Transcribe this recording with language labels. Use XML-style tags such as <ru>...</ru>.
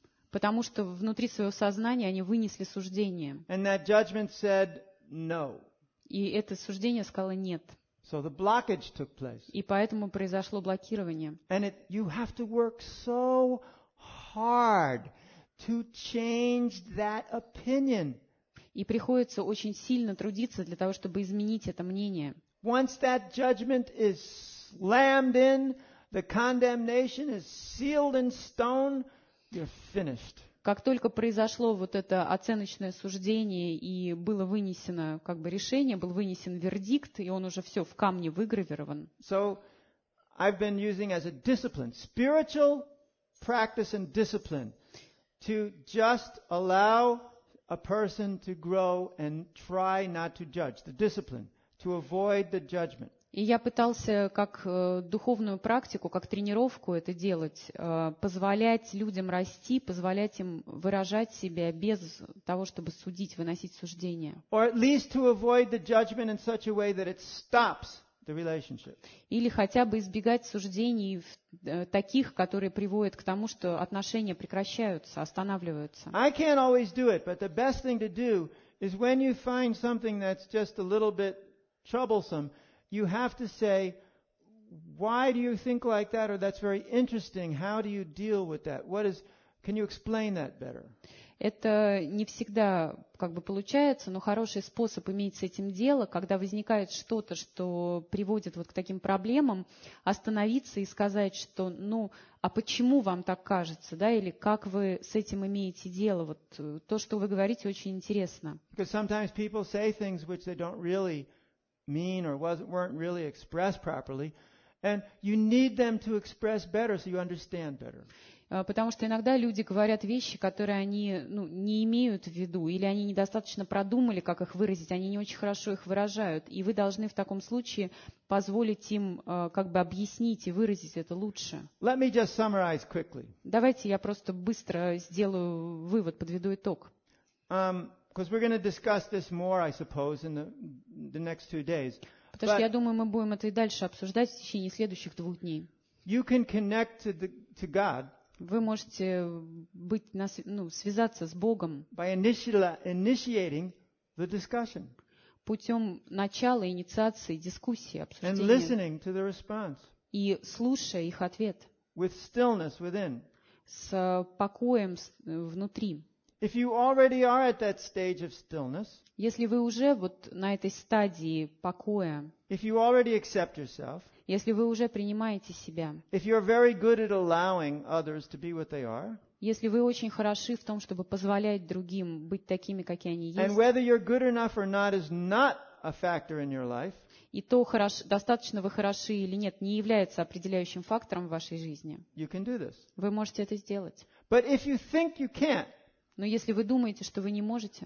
<ru>Потому что внутри своего сознания они вынесли суждение.</ru> <en>And that judgment said no.</en> <ru>И это суждение сказало нет.</ru> <en>So the blockage took place.</en> <ru>И поэтому произошло блокирование.</ru> <en>And you have to work so hard to change that opinion.</en> <ru>И приходится очень сильно трудиться для того, чтобы изменить это мнение.</ru> <en>Once that judgment is slammed in, the condemnation is sealed in stone. You're finished.</en> <ru>Как только произошло вот это оценочное суждение и было вынесено как бы решение, был вынесен вердикт, и он уже все в камне выгравирован.</ru> <en>So I've been using as a discipline, spiritual practice and discipline, to just allow a person to grow and try not to judge, the discipline, to avoid the judgment.</en> <ru>И я пытался как духовную практику, как тренировку это делать, позволять людям расти, позволять им выражать себя без того, чтобы судить, выносить суждения.</ru> <en>Or at least to avoid the judgment in such a way that it stops the relationship.</en> <ru>Или хотя бы избегать суждений таких, которые приводят к тому, что отношения прекращаются, останавливаются.</ru> <en>I can't always do it, but the best thing to do is when you find something that's just a little bit troublesome, you have to say, why do you think like that, or that's very interesting, how do you deal with that? Can you explain that better?</en> <ru>Это не всегда как бы получается, но хороший способ иметь с этим дело, когда возникает что-то, что приводит вот к таким проблемам, остановиться и сказать, что, ну, а почему вам так кажется, да, или как вы с этим имеете дело, вот то, что вы говорите, очень интересно.</ru> <en>Because sometimes people say things which they don't really mean or weren't really expressed properly, and you need them to express better so you understand better.</en> <ru>Потому что иногда люди говорят вещи, которые они, ну, не имеют в виду, или они недостаточно продумали, как их выразить, они не очень хорошо их выражают, и вы должны в таком случае позволить им как бы объяснить и выразить это лучше.</ru> <en>Let me just summarize quickly.</en> <ru>Давайте я просто быстро сделаю вывод, подведу итог.</ru> <en>Because we're going to discuss this more, I suppose, in the next 2 days.</en> <ru>Потому что я думаю, мы будем это и дальше обсуждать в течение следующих 2 дней.</ru> <en>You can connect to God.</en> <ru>Вы можете быть связаться с Богом.</ru> <en>By initiating the discussion.</en> <ru>Путем начала инициации дискуссии, обсуждения.</ru> <en>And listening to the response.</en> <ru>И слушая их ответ.</ru> <en>With stillness within.</en> <ru>С покоем внутри.</ru> <en>If you already are at that stage of stillness,</en> <ru>если вы уже вот на этой стадии покоя,</ru> <en>if you already accept yourself,</en> <ru>если вы уже принимаете себя,</ru> <en>if you're very good at allowing others to be what they are,</en> <ru>если вы очень хороши в том, чтобы позволять другим быть такими, какие они есть,</ru> <en>and whether you're good enough or not is not a factor in your life,</en> <ru>и то, достаточно вы хороши или нет, не является определяющим фактором в вашей жизни,</ru> <en>you can do this.</en> <ru>Вы можете это сделать.</ru> <en>But if you think you can't,</en> <ru>но если вы думаете, что вы не можете,</ru>